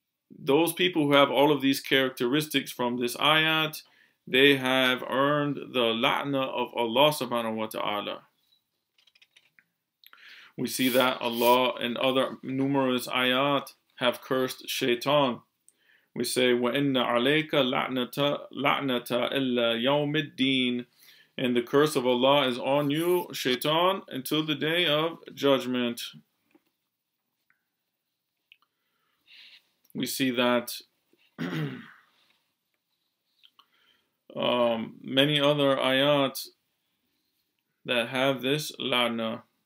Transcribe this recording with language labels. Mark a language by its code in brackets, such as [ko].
[en] Those people who have all of these characteristics from this ayat, they have earned the la'na of Allah subhanahu wa ta'ala. We see that Allah and other numerous ayat have cursed shaitan. We say, [ar] وَإِنَّ عَلَيْكَ لَعْنَةَ إِلَّا يَوْمِ الدِّينِ. [en] And the curse of Allah is on you, shaitan, until the day of judgment. We see that many other ayat that have this la'na.